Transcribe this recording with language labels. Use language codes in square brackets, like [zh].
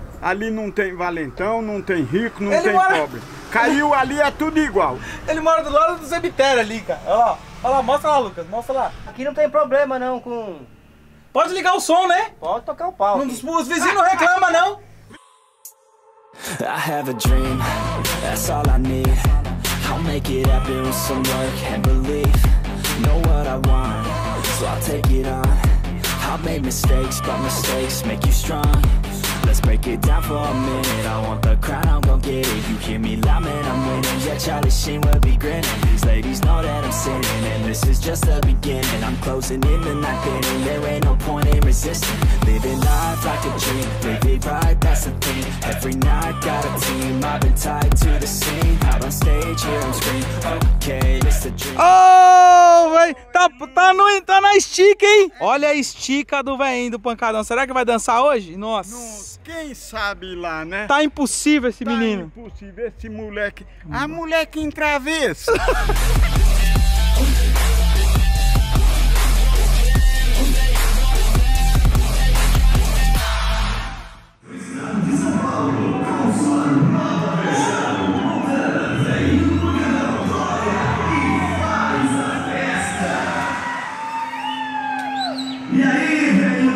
[pt] Ali não tem valentão, não tem rico, não ele tem mora... pobre. Caiu ali, é tudo igual. Ele mora do lado do cemitério ali, cara. Olha lá, mostra lá, Lucas, mostra lá. Aqui não tem problema não com... Pode ligar o som, né? Pode tocar o pau. Os vizinhos não reclamam não. [en] I have a dream, that's all I need. I'll make it happen with some work and belief. Know what I want, so I'll take it on. I've made mistakes, but mistakes make you strong. Let's break it down for a minute. I want the crown, I'm gon' get it. You hear me loud, man, I'm winning. Yeah, Charlie Sheen will be grinning. These ladies know that I'm sinning. And this is just the beginning. I'm closing in the night inning. There ain't no point in resisting. Living life like a dream. Live it right, that's the thing. Every night, got a team. I've been tied to the scene. Out on stage, here on screen. Okay, it's a dream. [pt] Oh, véi. Tá na estica, hein? Olha a estica do véi do pancadão. Será que vai dançar hoje? Nossa. Quem sabe lá, né? Tá impossível esse menino. Tá impossível esse moleque. A moleque em travessa. E aí, velho?